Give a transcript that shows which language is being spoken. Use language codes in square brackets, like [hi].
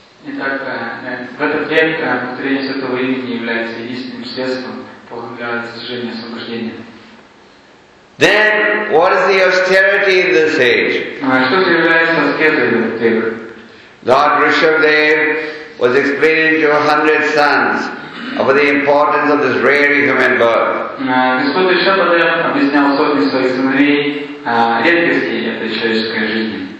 [ru] Итак, в этот день повторение святого имени является единственным средством для достижения освобождения. [en] Then, what is the austerity in this age? [ru] Что же является аскезой в этот век? [en] Lord Rishabhdev was explaining to 100 sons of the importance of this rare human birth. [ru] Господь Ришабхадев объяснял сотни своих сыновей редкости этой человеческой жизни.